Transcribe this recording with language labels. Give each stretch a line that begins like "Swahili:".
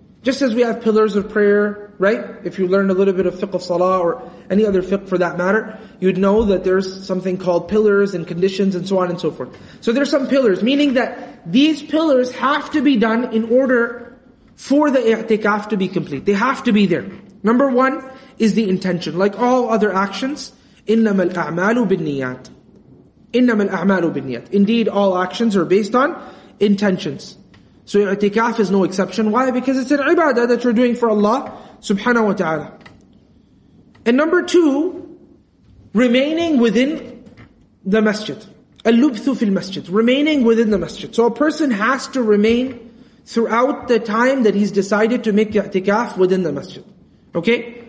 English: Just as we have pillars of prayer, right? If you learn a little bit of fiqh of salah or any other fiqh for that matter, you'd know that there's something called pillars and conditions and so on and so forth. So there's some pillars, meaning that these pillars have to be done in order for the i'tikaf to be complete. They have to be there. Number one is the intention. Like all other actions,
Arabic: إِنَّمَا الْأَعْمَالُ بِالنِّيَّاتِ إِنَّمَا الْأَعْمَالُ بِالنِّيَّاتِ.
English: Indeed, all actions are based on intentions. So i'tikaf is no exception. Why? Because it's an ibadah that you're doing for Allah subhanahu wa ta'ala. And number two, remaining within the masjid.
Arabic: Al-lubthu fil masjid.
English: Remaining within the masjid. So a person has to remain throughout the time that he's decided to make i'tikaf within the masjid. Okay?